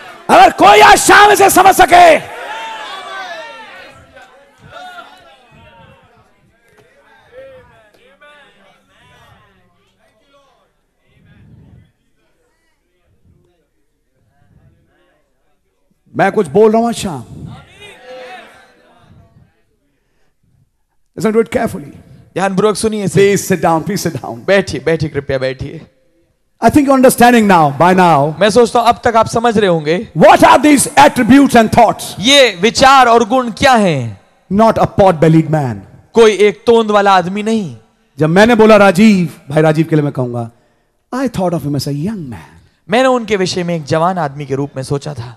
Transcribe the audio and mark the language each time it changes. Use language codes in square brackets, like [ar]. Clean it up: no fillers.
[hi] अगर कोई आज शाम से समझ सके, मैं कुछ बोल रहा हूं शाम, [en] listen to it carefully, [hi] ध्यान पूर्वक सुनिए। [en] Please sit down, [hi] बैठिए बैठिए, कृपया बैठिए। [en] I think you're understanding now, by now. [hi] मैं सोचता हूं अब तक आप समझ रहे होंगे। [en] What are these attributes and thoughts? [hi] ये विचार और गुण क्या हैं? [en] Not a pot-bellied man. [hi] कोई एक तोंद वाला आदमी नहीं। जब मैंने बोला राजीव, भाई राजीव के लिए मैं कहूंगा, [en] I thought of him as a young man. [hi] मैंने उनके विषय में एक जवान आदमी के रूप में सोचा था।